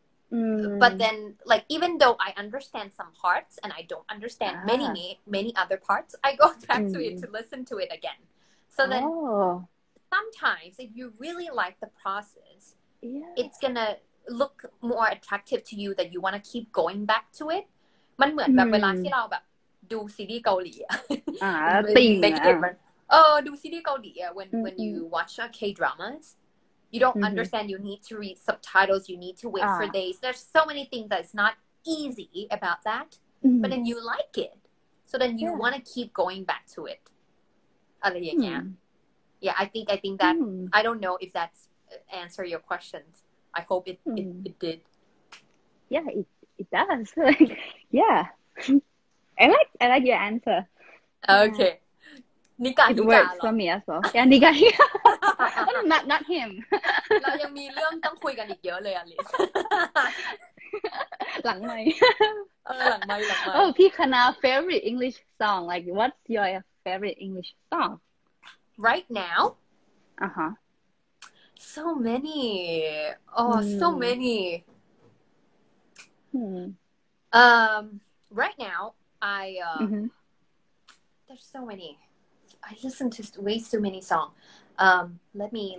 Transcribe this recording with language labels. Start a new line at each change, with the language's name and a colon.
English: But then, like, even though I understand some parts and I don't understand many other parts, I go back to it to listen to it again. So then sometimes if you really like the process, it's going to look more attractive to you that you want to keep going back to it.
Thai: มันเหมือนแบบเวลาที่เราแบบดูซีรีส์เกาหลีอ่ะ ติ่งอ่ะ ดูซีรีส์เกาหลีอ่ะ
English: when you watch K-dramas you don't understand you need to read subtitles you need to wait for days there's so many things that's not easy about that, but then you like it, so then you want to keep going back to it.
Thai: อะไรอย่างเงี้ย
English: Yeah, I think that I don't know if that's answer your questions. I hope it did. Yeah, it does. Yeah, I like your answer. Okay. Yeah. นิกา
Thai: ดูแบบสมิสโซแกนิกาเนี่ย
English: not him
Thai: เรายังมีเรื่องต้องคุยกันอีกเยอะเลยอลิส หลังไม ค์หลังไมค์ พี่คณะ
English: favorite English song like what's your favorite English song right now uh-huh so many oh so many right now I there's so manyI listen to way too many songs. Let me.